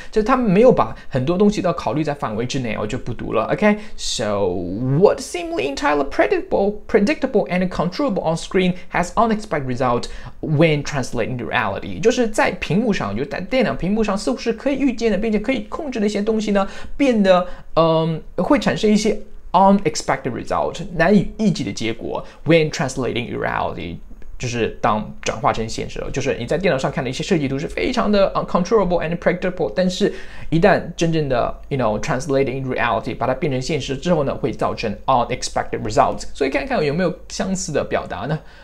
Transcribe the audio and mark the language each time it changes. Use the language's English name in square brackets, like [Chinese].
[Chinese] 就是他们没有把很多东西都考虑在范围之内，我就不读了。 [English] Okay, so what seemed entirely predictable and controllable on screen has unexpected result when translating reality. [Chinese] 就是在屏幕上，就在电脑屏幕上，似乎是可以预见的，并且可以控制的一些东西呢，变得会产生一些。 [English] unexpected result, [Chinese] 难以预计的结果 [English] when translating reality, [Chinese] 就是当转化成现实了，就是你在电脑上看的一些设计图是非常的 [English] uncontrollable and predictable, [Chinese] 但是一旦真正的 [English] you know, translating reality, [Chinese] 把它变成现实之后呢，会造成 [English] unexpected results, [Chinese] 所以看看有没有相似的表达呢？